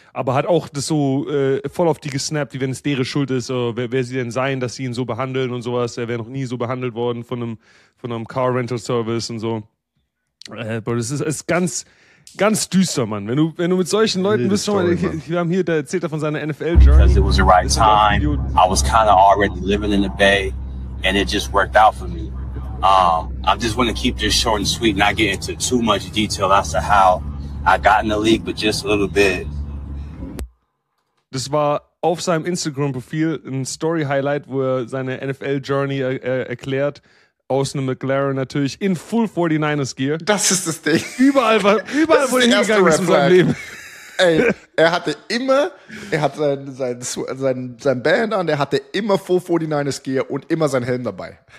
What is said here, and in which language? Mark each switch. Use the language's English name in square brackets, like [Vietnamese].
[German] Aber hat auch das so voll auf die gesnappt, wie wenn es deren Schuld ist, oder wer sie denn seien, dass sie ihn so behandeln und sowas. Er wäre noch nie so behandelt worden von einem Car Rental Service und so. Aber das ist ganz, ganz düster, Mann. Wenn du mit solchen Leuten bist, schon mal, wir haben hier, der erzählt von seiner NFL Journey. [English] It was the right time. I was kind of already living in the Bay and it just worked out for me. I just want to keep this short and sweet, not get into too much detail as to how I got in the league, but just a little bit. [German] Das war auf seinem Instagram-Profil ein Story-Highlight, wo er seine NFL-Journey erklärt, aus einem McLaren natürlich, in full 49ers-Gear. Das ist das Ding. Überall wo er hingegangen ist in seinem Leben. Ey, er hat sein Band an, er hatte immer full 49ers-Gear und immer sein Helm dabei.